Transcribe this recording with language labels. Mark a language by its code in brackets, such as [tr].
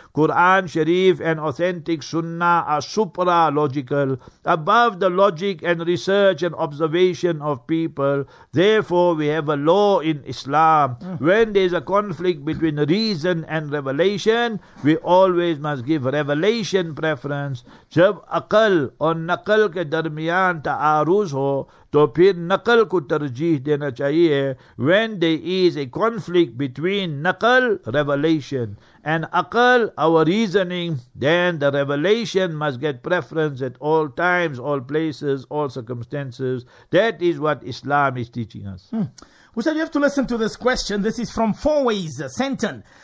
[en] Quran Sharif and authentic sunnah are supra logical, above the logic and research and observation of people. Therefore we have a law in Islam. When there's a conflict between reason and revelation, we always must give revelation preference. [ur] جب عقل اور نقل کے درمیان تعارض ہو تو پھر نقل کو ترجیح دینا چاہیے. [en] When there is a conflict between نقل, revelation, and aqal, our reasoning, then the revelation must get preference at all times, all places, all circumstances. That is what Islam is teaching us. Ustad, you have to listen to this question. This is from Four Ways Sentence.